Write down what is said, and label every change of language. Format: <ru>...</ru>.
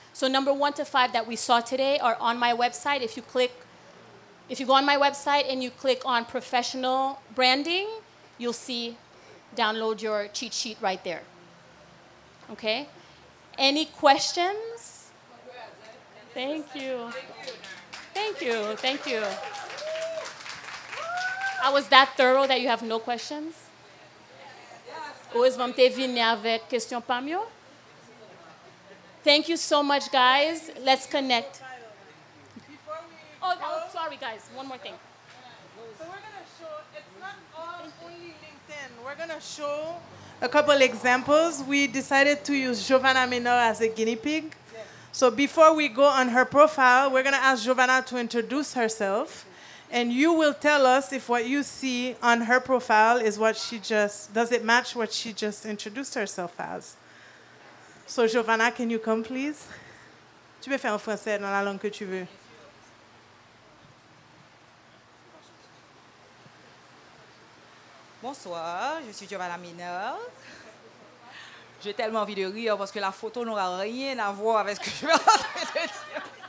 <en>So number one to five that we saw today are on my website. If you go on my website and you click on professional branding, you'll see download your cheat sheet right there. Okay? Any questions? Thank you. Thank you. Thank you. I was that thorough that you have no questions?</en> <fr>Ouais, vont te venir avec question pas mieux.</fr> <en>Thank you so much, guys. Let's connect. Oh, sorry, guys. One more thing. So we're going to show, it's not all only LinkedIn. We're going to show a couple examples. We decided to use Giovanna Minor as a guinea pig. Yes. So before we go on her profile, we're going to ask Giovanna to introduce herself. And you will tell us if what you see on her profile is what she just, does it match what she just introduced herself as? So, Giovanna, can you come, please?</en> <fr>Tu peux faire en français dans la langue que tu veux. Bonsoir, je suis Giovanna Minor. J'ai tellement envie de rire parce que la photo n'aura rien à voir avec ce que je vais en train de dire.</fr>